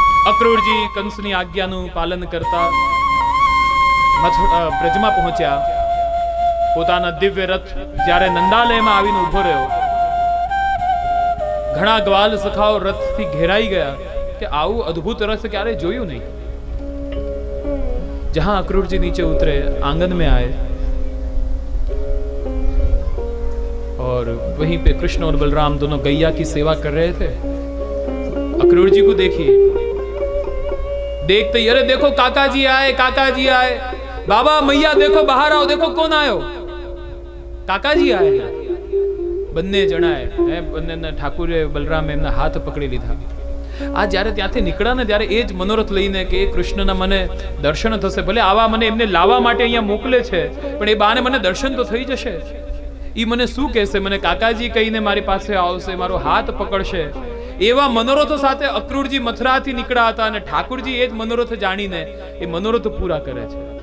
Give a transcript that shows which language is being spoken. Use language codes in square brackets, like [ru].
[gu] અક્રૂરજી કંસની આજ્ઞાનું પાલન કરતા બ્રજમાં પહોંચ્યા. પોતાના દિવ્ય રથ જ્યારે નંદાલયમાં આવીને ઉભો રહ્યો, ઘણા ગ્વાલ સખાઓ રથથી ઘેરાઈ ગયા કે આવું અદ્ભુત રથ ક્યારે જોયું નહીં. જ્યાં અક્રૂરજી નીચે ઉતરે આંગન મેં આવે [hi] और वहीं पे कृष्ण और बलराम दोनों गैया की सेवा कर रहे थे. अक्रूर जी को देखिए, देखते ही अरे देखो काका जी आए, काका जी आए, बाबा मैया देखो बाहर आओ, देखो कौन आयो, काका जी आए. [gu] बन्ने जनाए बन्ने ने ठाकुर बलराम ने हाथ पकड़ी लीधा. આ જ્યારે ત્યાંથી નીકળ્યા ને ત્યારે એ જ મનોરથ લઈને કે કૃષ્ણના મને દર્શન થશે, ભલે આવા મને એમને લાવવા માટે અહીંયા મોકલે છે પણ એ બાને મને દર્શન તો થઈ જશે, ઈ મને શું કહેશે, મને કાકાજી કહીને મારી પાસે આવશે, મારો હાથ પકડશે, એવા મનોરથો સાથે અક્રૂરજી મથુરાથી નીકળ્યા હતા અને ઠાકોરજી એ જ મનોરથ જાણીને એ મનોરથ પૂરા કરે છે.